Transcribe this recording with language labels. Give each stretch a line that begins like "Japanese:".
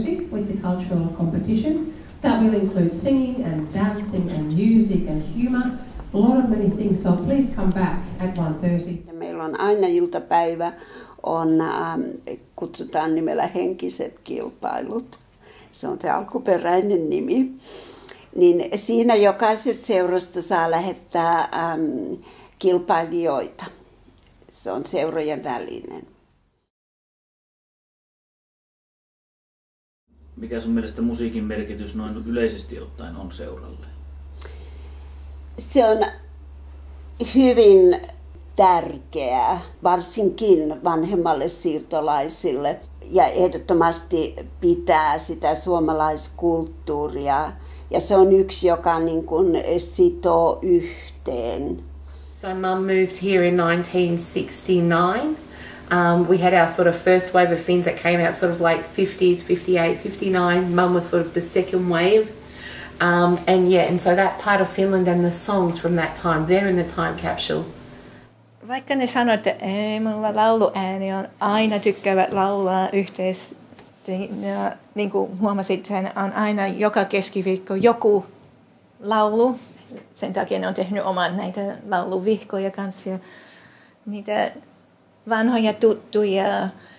English: with the cultural competition. That will include singing and dancing and music and humour. A lot of many things, so please come back at 1:30.
Finnish: Meillä on aina iltapäivä, on kutsutaan nimellä henkiset kilpailut. Se on se alkuperäinen nimi. Niin siinä jokaisesta seurasta saa lähettää kilpailijoita. Se on seurojen välinen. Mikä sun mielestä musiikin merkitys noin yleisesti ottaen on seuralle? Se on hyvin tärkeää, varsinkin vanhemmalle siirtolaisille. Ja ehdottomasti pitää sitä suomalaiskulttuuria. Ja se on yksi, joka niin kuin sitoo yhteen.
English: So mum moved here in 1969. We had our sort of first wave of Finns that came out sort of like 50s, 58, 59. Mum was sort of the second wave. And so that part of Finland and the songs from that time, they're in the time capsule.
Finnish: Vaikka ne sanoo, että ei mulla lauluääni on, aina tykkäävät laulaa yhteisesti. Niin kuin huomasit, hän on aina joka keskiviikko joku laulu. Sen takia ne on tehnyt omat näitä lauluvihkoja kanssa. Ja niitä vanhoja tuttuja.